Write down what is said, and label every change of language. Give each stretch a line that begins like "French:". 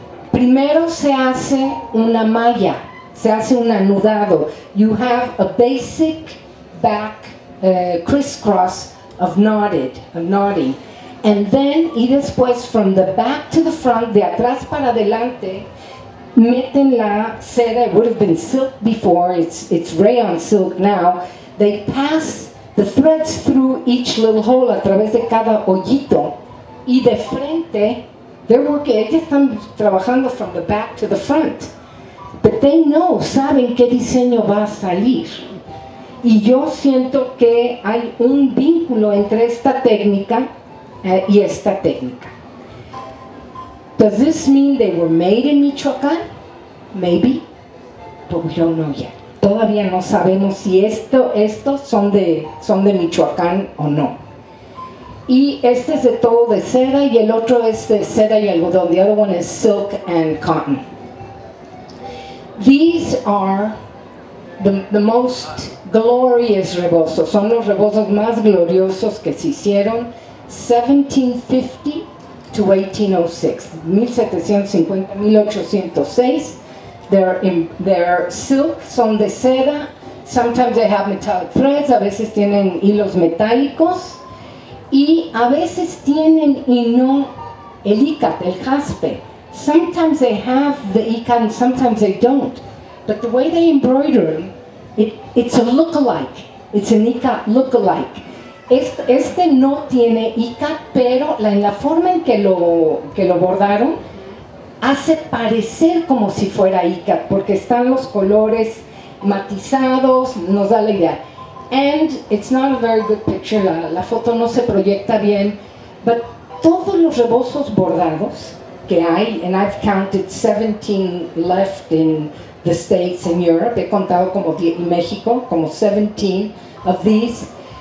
Spanish: Primero se hace una malla, se hace un anudado.
English: You have a basic back crisscross of knotting. And then,
Spanish: y después,
English: from the back to the front,
Spanish: de atrás para adelante, meten la seda.
English: It would have been silk before, it's rayon silk now. They pass the threads through each little hole,
Spanish: a través de cada hoyito. Y de frente,
English: they're working,
Spanish: ellos están trabajando
English: from the back to the front. But they know,
Spanish: saben qué diseño va a salir. Y yo siento que hay un vínculo entre esta técnica y esta técnica.
English: Does this mean they were made in Michoacán? Maybe, but we don't know yet.
Spanish: Todavía no sabemos si estos son de Michoacán o no. Y este es de todo de seda y el otro es de seda y algodón.
English: The other one is silk and cotton. These are the most glorious rebozos.
Spanish: Son los rebozos más gloriosos que se hicieron.
English: 1750 to 1806, 1750-1806. They're silk,
Spanish: son de seda.
English: Sometimes they have metallic threads,
Spanish: a veces tienen hilos metálicos. Y a veces tienen y no el ícat, el jaspe.
English: Sometimes they have the ícat and sometimes they don't. But the way they embroider them, it's a look-alike. It's an ícat look-alike.
Spanish: Este no tiene ícat, pero en la forma en que lo bordaron hace parecer como si fuera ícat, porque están los colores matizados, nos da la idea.
English: And it's not a very good picture,
Spanish: la foto no se proyecta bien,
English: but
Spanish: todos los rebozos bordados que hay,
English: and I've counted 17 left in the States and Europe,
Spanish: he contado como 10 en México, como
English: 17 of these.